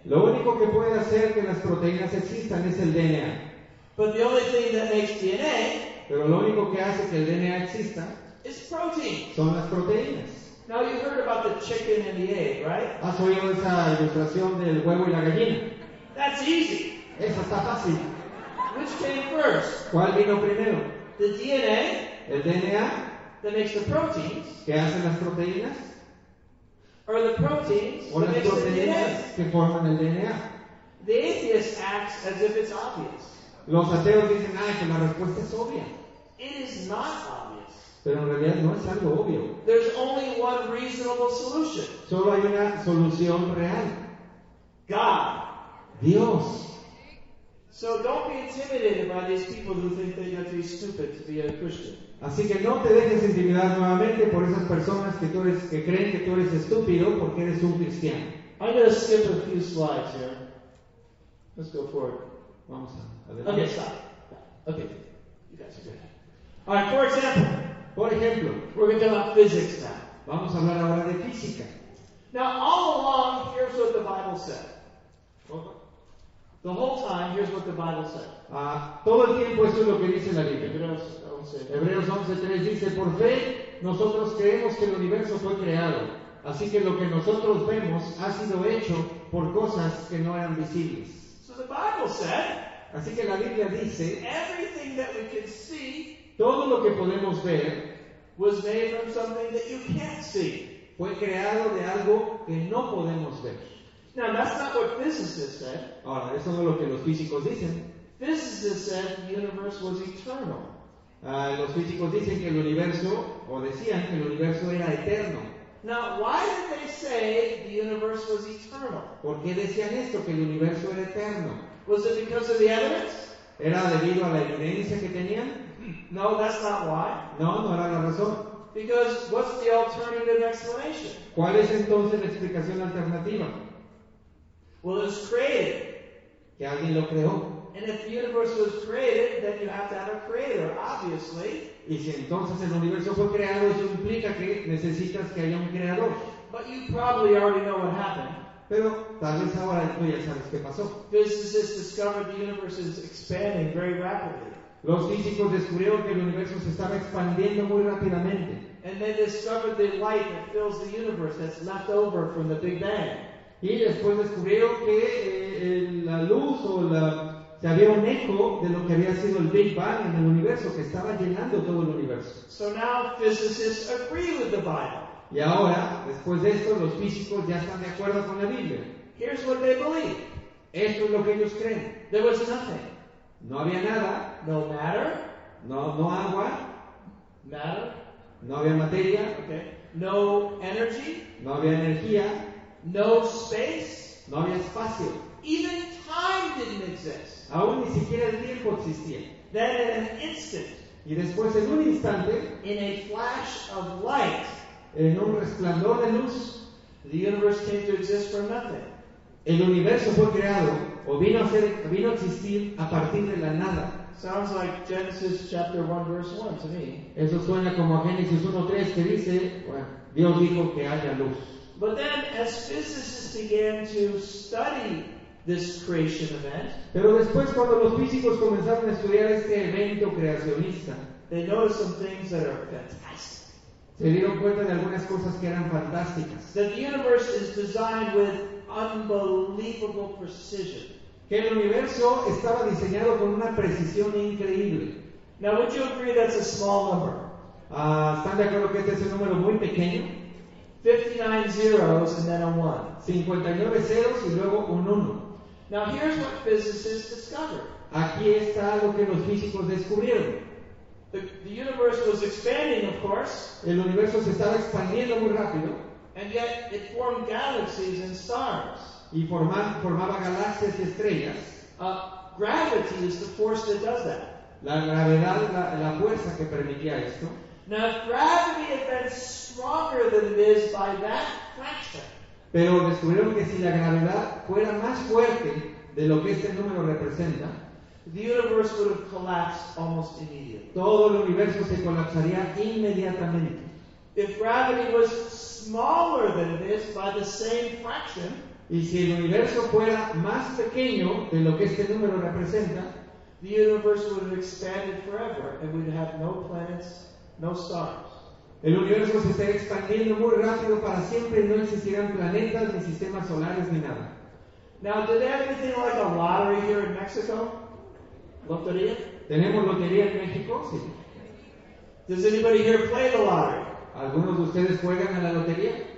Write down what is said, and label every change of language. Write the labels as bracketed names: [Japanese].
[Spanish] Lo único que puede hacer que las proteínas existan es el DNA. [English] But the only thing that makes DNA, [Spanish] pero lo único que hace que el DNA exista, [English] is protein. [Spanish] Son las proteínas. [English] Now you heard about the chicken and the egg, right? [Spanish] ¿Has oído esa ilustración del huevo y la gallina? [English] That's easy. [Spanish] Esa está fácil. [English] Which came first? [Spanish] ¿Cuál vino primero? [English] The DNA. [Spanish] El DNA. [English] That makes the proteins. [Spanish] ¿Qué hacen las proteínas? [English] Or the proteins [Spanish] o las proteínas que forman el DNA. [English] The atheist acts as if it's obvious. [Spanish] Los ateos dicen, que la respuesta es obvia. [English] It is not obvious. [Spanish] Pero en realidad no es algo obvio. [English] There's only one reasonable solution. [Spanish] Solo hay una solución real. [English] God. [Spanish] Dios. [English] So don't be intimidated by these people who think that you have to be stupid to be a Christian. [Spanish] Así que no te dejes intimidar nuevamente por esas personas que tú eres, que creen que tú eres estúpido porque eres un cristiano. [English] I'm going to skip a few slides here. Let's go forward. [Spanish] Vamos a ver. [English] Okay, stop. Okay, you guys are good. All right, for example. [Spanish] Por ejemplo. [English] We're going to talk about physics now. [Spanish] Vamos a hablar ahora de física. [English] Now, all along, here's what the Bible said. The whole time, here's what the Bible says. [Spanish] Todo el tiempo esto es lo que dice la Biblia. Hebreos 11:3 dice, por fe nosotros creemos que el universo fue creado, así que lo que nosotros vemos ha sido hecho por cosas que no eran visibles. [English] So the Bible said, [Spanish] así que la Biblia dice, [English] everything that we can see, [Spanish] todo lo que podemos ver, [English] was made from something that you can't see. [Spanish] Fue creado de algo que no podemos ver. [English] Now that's not what physicists said. [Spanish] Ahora, eso no es lo que los físicos dicen. [English] Physicists said the universe was eternal. [Spanish] Los físicos dicen que el universo, o decían que el universo era eterno. [English] Now, why did they say the universe was eternal? [Spanish] ¿Por qué decían esto, que el universo era eterno? [English] Was it because of the evidence? [Spanish] ¿Era debido a la evidencia que tenían? [English] No, that's not why. [Spanish] No, no era la razón. [English] Because what's the alternative explanation? [Spanish] ¿Cuál es entonces la explicación alternativa? [English] Well, it was created. [Spanish] ¿Que alguien lo creó? [English] And if the universe was created, then you have to have a creator, obviously. [Spanish] Y si entonces el universo fue creado, eso implica que necesitas que haya un creador. [English] But you probably already know what happened. [Spanish] Pero tal vez ahora tú ya sabes qué pasó. [English] Physicists discovered the universe is expanding very rapidly. [Spanish] Los físicos descubrieron que el universo se estaba expandiendo muy rápidamente. [English] And they discovered the light that fills the universe that's left over from the Big Bang. [Spanish] Y después descubrieron que la luz o la... se había un eco de lo que había sido el Big Bang en el universo, que estaba llenando todo el universo. [English] So now physicists agree with the Bible. [Spanish] Y ahora, después de esto, los físicos ya están de acuerdo con la Biblia. [English] Here's what they believe. [Spanish] Esto es lo que ellos creen. [English] There was nothing. [Spanish] No había nada. [English] No matter. [Spanish] No agua. [English] Matter. [Spanish] No había materia. [English] Okay. No energy. [Spanish] No había energía. [English] No space. [Spanish] No había espacio. [English] Even time didn't exist. [Spanish] Aún ni siquiera el tiempo existía. [English] Then in an instant, [Spanish] y después en un instante, [English] in a flash of light, [Spanish] en un resplandor de luz, [English] the universe came to exist from nothing. [Spanish] El universo fue creado o vino a existir a partir de la nada. [English] Sounds like Genesis chapter 1 verse 1 to me. [Spanish] Eso suena como a Génesis 1:3 que dice, bueno, Dios dijo que haya luz. [English] But then as physicists began to study this creation event, [Spanish] pero después cuando los físicos comenzaron a estudiar este evento creacionista, [English] they noticed some things that are fantastic. [Spanish] Se dieron cuenta de algunas cosas que eran fantásticas. [English] That the universe is designed with unbelievable precision. [Spanish] Que el universo estaba diseñado con una precisión increíble. [English] Now would you agree that's a small number? [Spanish] ¿Están de acuerdo que este es un número muy pequeño? [English] 59 zeros and then a 1. [Spanish] 59 ceros y luego un 1. [English] Now here's what physicists discovered. [Spanish] Aquí está lo que los físicos descubrieron. [English] The universe was expanding, of course. [Spanish] El universo se estaba expandiendo muy rápido. [English] And yet it formed galaxies and stars. [Spanish] Y formaba galaxias y estrellas. [English] Gravity is the force that does that. [Spanish] La gravedad es la fuerza que permitía esto. [English] Now, if gravity had been stronger than it is by that fraction. [Spanish] Pero descubrieron que si la gravedad fuera más fuerte de lo que este número representa, [English] the universe would have collapsed almost immediately. [Spanish] Todo el universo se colapsaría inmediatamente. [English] If gravity was smaller than this by the same fraction, [Spanish] y si el universo fuera más pequeño de lo que este número representa, [English] the universe would have expanded forever and we'd have no planets, no stars. [Spanish] El universo se estaría expandiendo muy rápido para siempre y no existirían planetas ni sistemas solares ni nada. [English] Now, do they have anything like a lottery here in Mexico? [Spanish] Lotería? ¿Tenemos lotería en México? Sí. [English] Does anybody here play the lottery? [Spanish] ¿Algunos de ustedes juegan a la lotería?